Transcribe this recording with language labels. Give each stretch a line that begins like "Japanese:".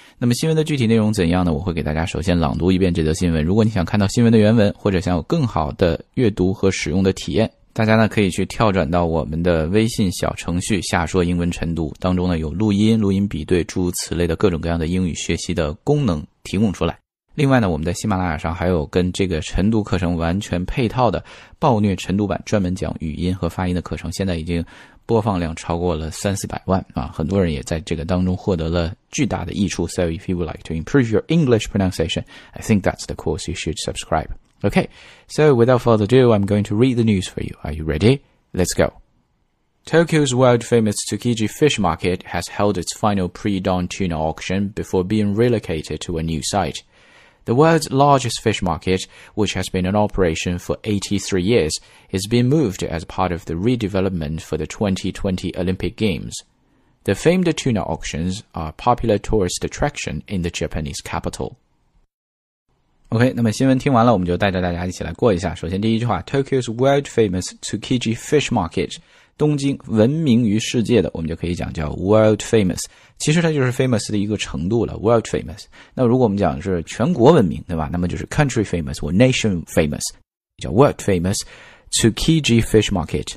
Chinese: 那么新闻的具体内容怎样呢？我会给大家首先朗读一遍这则新闻。如果你想看到新闻的原文，或者想有更好的阅读和使用的体验，大家呢可以去跳转到我们的微信小程序下说英文晨读，当中呢有录音、录音比对、诸如此类的各种各样的英语学习的功能提供出来。另外呢，我们在喜马拉雅上还有跟这个晨读课程完全配套的暴虐晨读版，专门讲语音和发音的课程，现在已经播放量超过了300,000+很多人也在这个当中获得了巨大的益处。
English: So if you would like to improve your English pronunciation, I think that's the course you should subscribe. Okay, so without further ado, I'm going to read the news for you. Are you ready? Let's go. Tokyo's world-famous Tsukiji fish market has held its final pre-dawn tuna auction before being relocated to a new site. The world's largest fish market, which has been in operation for 83 years, is being moved as part of the redevelopment for the 2020 Olympic Games. The famed tuna auctions are a popular tourist attraction in the Japanese capital.
Chinese: OK, 那么新闻听完了，我们就带着大家一起来过一下。
English: 首先第一句话， Tokyo's world-famous Tsukiji fish market.
Chinese: 东京闻名于世界的，我们就可以讲叫
English: world famous，
Chinese: 其实它就是 famous 的一个程度了， world famous。那如果我们讲是全国闻名，对吧，那么就是
English: country famous
Chinese: 或
English: nation famous，
Chinese: 叫
English: world famous Tsukiji fish market。